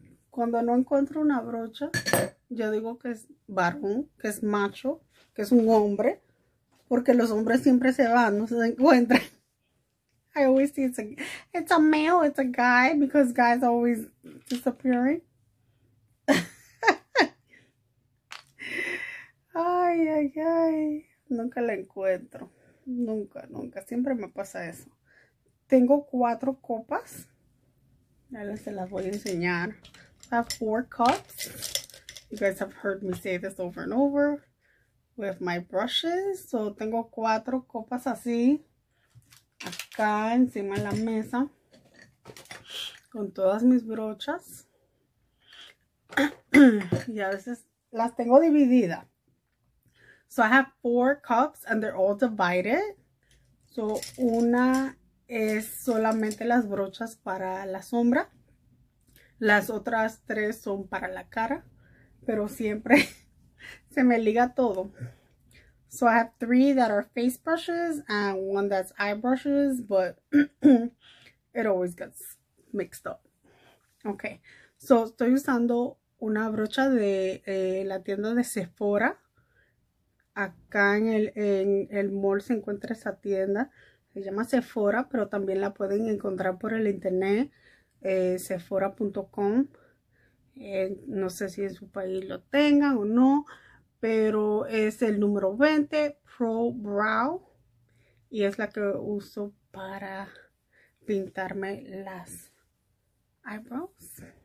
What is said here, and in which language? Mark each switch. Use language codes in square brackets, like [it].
[es] Cuando no encuentro una brocha, yo digo que es varón, que es macho, que es un hombre. Porque los hombres siempre se van, no se encuentran. [en] I always see it's a male, it's a guy, because guys always disappearing. [es] Ay, ay, ay. Nunca la encuentro. Nunca, nunca. Siempre me pasa eso. Tengo cuatro copas. Ya se las voy a enseñar. [en] I have four cups. You guys have heard me say this over and over with my brushes. [es] So tengo cuatro copas así acá encima de la mesa con todas mis brochas. Y a veces las tengo dividida. [en] So I have four cups and they're all divided. [es] So una es solamente las brochas para la sombra. Las otras tres son para la cara, pero siempre se me liga todo. [en] So I have three that are face brushes and one that's eye brushes, but it always gets mixed up. [es] Okay, so estoy usando una brocha de la tienda de Sephora. Acá en el mall se encuentra esa tienda. Se llama Sephora, pero también la pueden encontrar por el internet. Sephora.com. No sé si en su país lo tengan o no, pero es el número 20 Pro Brow y es la que uso para pintarme las eyebrows.